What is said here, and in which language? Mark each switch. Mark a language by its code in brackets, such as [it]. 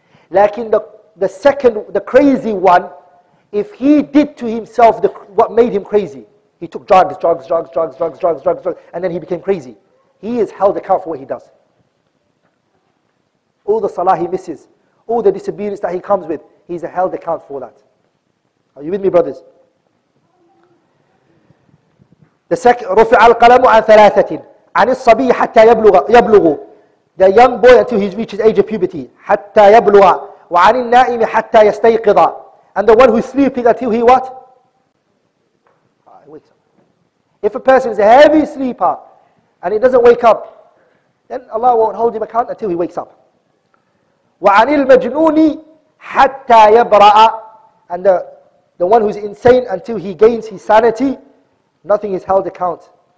[ar] لكن [en] the second, the crazy one, If he did to himself what made him crazy, he took drugs, and then he became crazy. He is held accountable for what he does. All the salah he misses, all the disobedience that he comes with, he's held accountable for that. Are you with me, brothers? The second, [ar] رفع القلم عن ثلاثة عن الصبي حتى يبلغ [en] the young boy until he reaches age of puberty [ar] حتى يبلغ وعن النائم حتى يستيقظ. [en] And the one who's sleeping until he what? Wakes up. If a person is a heavy sleeper and he doesn't wake up, then Allah won't hold him account until he wakes up. [ar] وَعَنِ الْمَجْنُونِ حَتَّى يَبْرَأَ [en] And the one who's insane until he gains his sanity, nothing is held account